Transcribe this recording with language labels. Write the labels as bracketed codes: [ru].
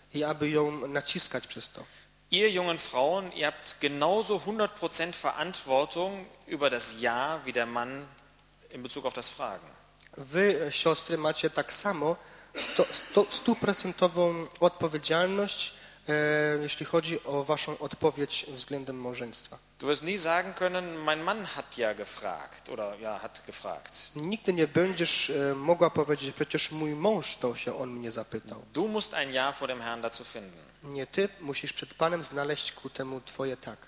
[pl] I aby ją naciskać przez to. [de] Ihr jungen Frauen, ihr habt genauso 100% Verantwortung über das Ja wie der Mann in Bezug auf das Fragen. [pl] Wy, siostry, macie tak samo 100% odpowiedzialność, jeśli chodzi o waszą odpowiedź względem małżeństwa. [de] Du wirst nie sagen können, mein Mann hat ja gefragt oder ja hat gefragt. [pl] Nigdy nie będziesz mogła powiedzieć, przecież mój mąż to się on mnie zapytał. [de] Du musst ein Ja vor dem Herrn dazu finden. [pl] Nie, ty musisz przed Panem znaleźć ku temu twoje tak.